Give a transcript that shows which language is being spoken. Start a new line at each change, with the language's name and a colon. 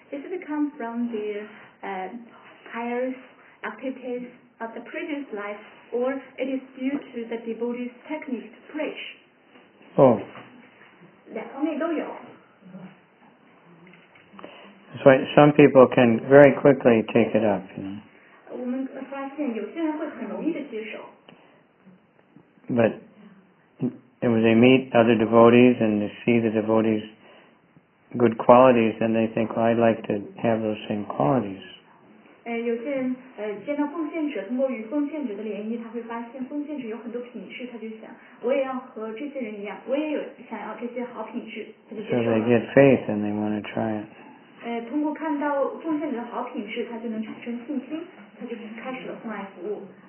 English: Does it come from the pious activities of the previous life, or it is due to the devotee's technique to preach? Oh.
Chinese: 两方面都有。
English: So some people can very quickly take it up, you know.
Chinese: 我们发现有些人会很容易的接受。
English: But when they meet other devotees and they see the devotees' good qualities, then they think, well, I'd like to have those same qualities.
Chinese: 有些人见到奉献者，通过与奉献者的联谊，他会发现奉献者有很多品质，他就想，我也要和这些人一样，我也有想要这些好品质，他就接受了。
English: So they get faith and they want to try it.
Chinese: 通过看到奉献者的好品质，他就能产生信心，他就开始了奉爱服务。